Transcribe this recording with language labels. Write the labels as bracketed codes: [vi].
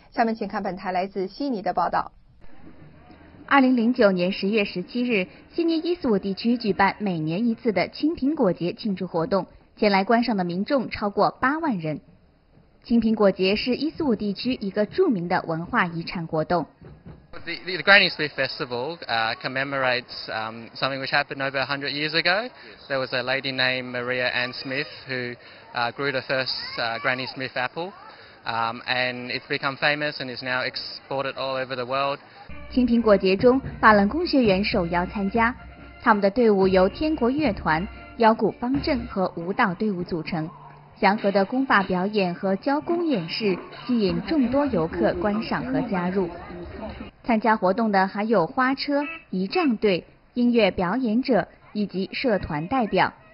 [zh] 下面请看本台来自悉尼的报道。 2009年10月17日，悉尼伊斯伍地区举办每年一次的青苹果节庆祝活动，前来观赏的民众超过8万人。青苹果节是伊斯伍地区一个著名的文化遗产活动。 [en] The Granny Smith Festival commemorates something which happened over 100 years ago. There was a lady named Maria Ann Smith who grew the first Granny Smith apple, and it's become famous and is now exported all over the world. [zh] 青苹果节中，法轮功学员受邀参加，他们的队伍由天国乐团、腰鼓方阵和舞蹈队伍组成。祥和的功法表演和教功演示吸引众多游客观赏和加入。参加活动的还有花车、仪仗队、音乐表演者以及社团代表。